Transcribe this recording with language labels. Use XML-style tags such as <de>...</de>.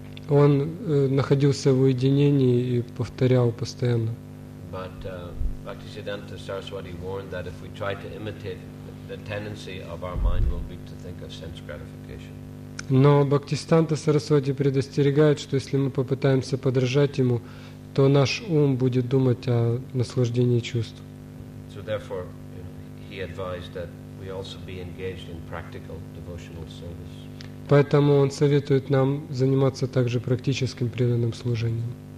<ru>Он находился в уединении и повторял постоянно.</ru> <en>But Bhaktisiddhanta Saraswati warned that if we try to imitate, the tendency of our mind will be to think of sense gratification.</en> <ru>Но Бхактисиддханта Сарасвати предостерегает, что если мы попытаемся подражать ему, то наш ум будет думать о наслаждении чувств.</ru> <en>So therefore, he advised that we also be engaged in practical devotional service.</en> <ru>Поэтому он советует нам заниматься также практическим преданным служением.</ru>